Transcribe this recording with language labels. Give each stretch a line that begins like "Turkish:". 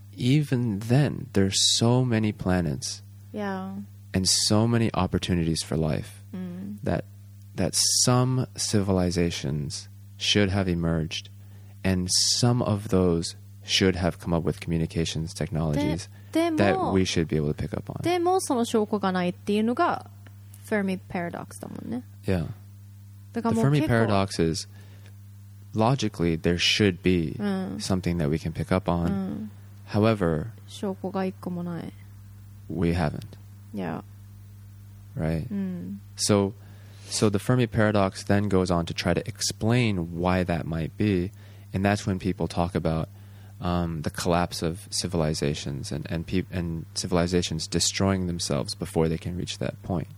English: Even then there's so many planets. Yeah. And so many opportunities for life、 mm. that some civilizations should have emerged and some of thoseshould have come up with communications technologies that we should be able to pick up on.
Japanese: でもその証拠がないっていうのがフェルミパラドックスだもんね。
English: Yeah.
Japanese: だからもう
English: The Fermi paradox is logically there should be、うん、something that we can pick up on.、
Japanese: うん、
English: However,
Japanese: 証拠が一個もない。
English: We haven't. Yeah. Right?、
Japanese: うん、
English: So the Fermi paradox then goes on to try to explain why that might be, and that's when people talk aboutthe collapse of civilizations and civilizations destroying themselves before they can reach that point.